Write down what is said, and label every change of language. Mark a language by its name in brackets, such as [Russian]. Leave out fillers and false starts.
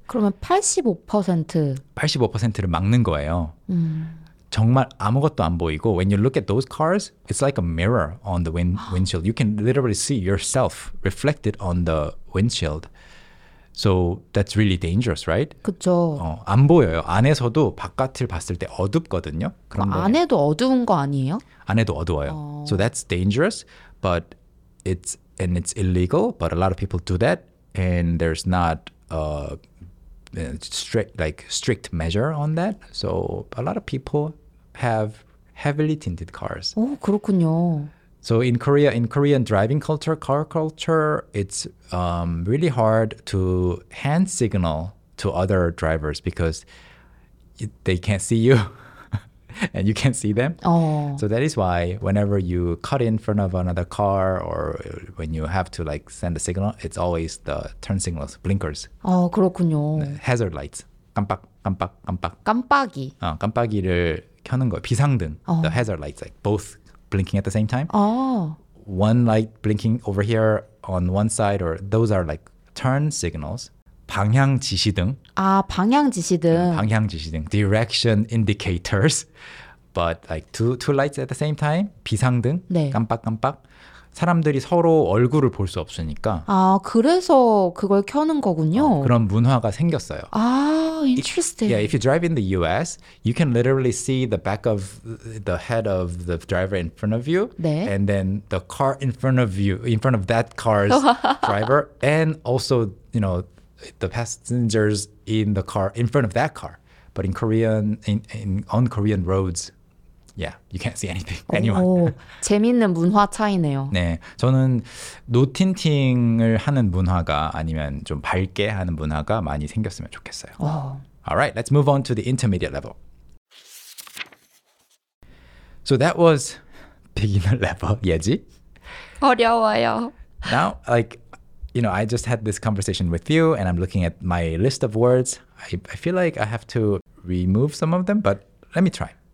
[Korean] 그러면 85%. 85%를 막는 거예요. 정말 아무것도 안 보이고 [English] when you look at those cars, it's like a mirror on the windshield. You can literally see yourself reflected on the windshield. So that's really dangerous, right? [Korean] 그쵸. 안 보여요. 안에서도 바깥을 봤을 때 어둡거든요. 그런데 안에도 어두운 거 아니에요? 안에도 어두워요. [English] So that's dangerous, but it's illegal. But a lot of people do that, and there's not a strict measure on that. So a lot of people have heavily tinted cars. [Korean] 오, 그렇군요. [English] So in Korea, in Korean driving culture, car culture, it's really hard to hand signal to other drivers because they can't see you and you can't see them. So that is why whenever you cut in front of another car or when you have to like send a signal, it's always the turn signals, blinkers. [Korean] 아, 그렇군요. Hazard lights. 깜빡, 깜빡, 깜빡. 깜빡이. 깜빡이를 켜는 거예요. 비상등. [English] The hazard lights, like both. Blinking at the same time. One light blinking over here on one side, or those are like turn signals. [Korean] 방향 지시등. 아, 방향 지시등. 방향 지시등. Direction indicators. [English] But like two lights at the same time. [Korean] 비상등. 네. 깜빡깜빡. 사람들이 서로 얼굴을 볼 수 없으니까. 아, 그래서 그걸 켜는 거군요. 그런 문화가 생겼어요. 아, interesting. [English] Yeah, if you drive in the US, you can literally see the back of the head of the driver in front of you. [Korean] 네. [English] And then the car in front of you, in front of that car's driver. And also, you know, the passengers in the car, in front of that car. But in Korean, on Korean roads, yeah, you can't see anything, anyone. [Korean] 오, 재밌는 문화 차이네요. 네, 저는 노틴팅을 하는 문화가 아니면 좀 밝게 하는 문화가 많이 생겼으면 좋겠어요. 오. [English] All right, let's move on to the intermediate level. So that was beginner level, 예지? [Korean] 어려워요. [English] Now, like, you know, I just had this conversation with you and I'm looking at my list of words. I feel like I have to remove some of them, but let me try.